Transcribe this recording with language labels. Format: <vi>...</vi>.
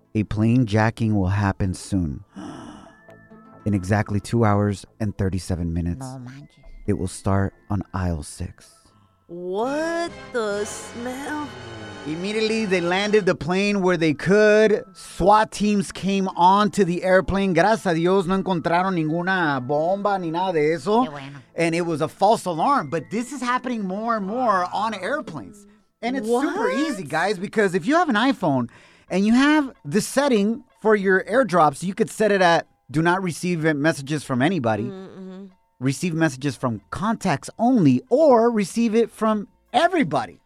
<en>A plane jacking will happen soon. In exactly 2 hours and 37 minutes.</en> <es>No manches.</es> <en>It will start on aisle 6. What the smell? Immediately, they landed the plane where they could. SWAT teams came onto the airplane.</en> <es>Gracias a Dios, no encontraron ninguna bomba ni nada de eso. Qué bueno.</es> <en>And it was a false alarm. But this is happening more and more on airplanes. And it's super easy, guys, because if you have an iPhone... And you have the setting for your airdrops. You could set it at do not receive messages from anybody. Mm-hmm. Receive messages from contacts only or receive it from everybody.</en>